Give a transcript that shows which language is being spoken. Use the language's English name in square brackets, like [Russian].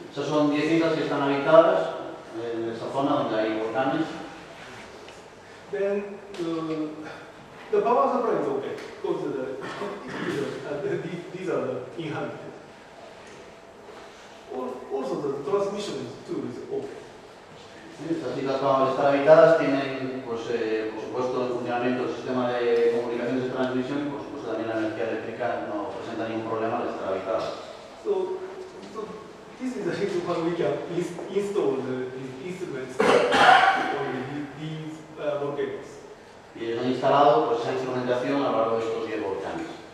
[Spanish] Esas son 10 islas que están habitadas en esa zona donde hay volcanes. [English] Then the power supply is okay, because these are the inhabited. Also the transmission too is okay. [Spanish] Estas islas van a estar habitadas, tienen, pues, por supuesto, el funcionamiento del sistema de comunicaciones de transmisión y, por supuesto, también la energía eléctrica no presenta ningún problema al estar habitadas. [English] So, this is the reason why we can install the instruments on these volcanoes. [Spanish] Y ellos han instalado, pues, esa instrumentación a lo largo de estos 10 volcanes.